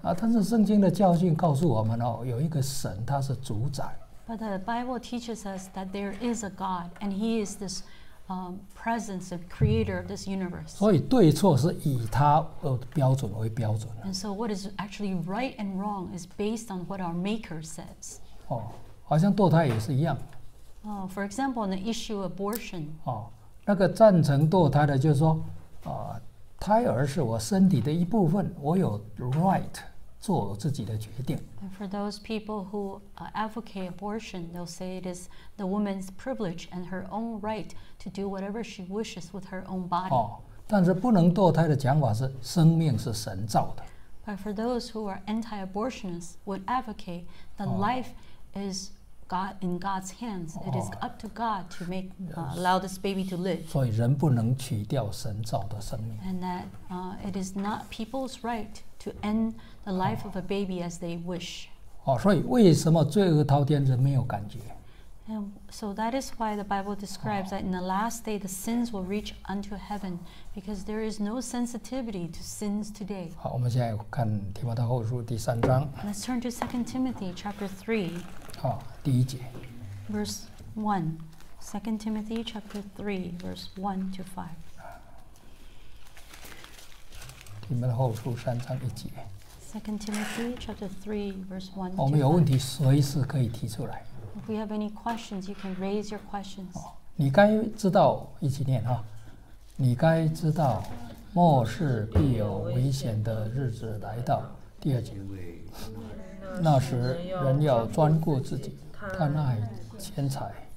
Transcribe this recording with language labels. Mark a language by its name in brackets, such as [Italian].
[Chinese] 啊，但是圣经的教训告诉我们哦，有一个神，他是主宰。 [English] But the Bible teaches us that there is a God, and He is this presence of creator of this universe. [Chinese] 所以对错是以他的标准为标准。 [English] And so what is actually right and wrong is based on what our Maker says. [Chinese] 哦，好像堕胎也是一样。 [English] For example, on the issue of abortion. 哦。 [Chinese] 那个赞成堕胎的就是说、胎儿是我身体的一部分，我有 right 做我自己的决定。 [English] And for those people who advocate abortion, they'll say it is the woman's privilege and her own right to do whatever she wishes with her own body.、 [Chinese] 哦、但是不能堕胎的讲法是生命是神造的。 [English] But for those who are anti-abortionists would advocate that life is God in God's hands. It is up to God to make allow this baby to live. [Chinese] 所以人不能取掉神造的生命。 [English] And that it is not people's right to end the life of a baby as they wish. [Chinese] 哦，所以为什么罪恶滔天人没有感觉 [English] ？And so that is why the Bible describes that in the last day the sins will reach unto heaven because there is no sensitivity to sins today. [Chinese] 好，我们现在看提摩太后书第三章。 [English] Let's turn to 2 Timothy chapter 3. [Chinese] 第一节 [English] Verse 1 2 Timothy chapter 3 Verse 1 to 5 [Chinese] 提摩太后书三章一节 [English] 2 Timothy chapter 3 Verse 1 to 5 [Chinese] 我们有问题随时可以提出来 [English] If we have any questions You can raise your questions [Chinese] 你该知道一起念、啊、你该知道末世必有危险的日子来到第二节那时人要专顾自己贪爱钱财、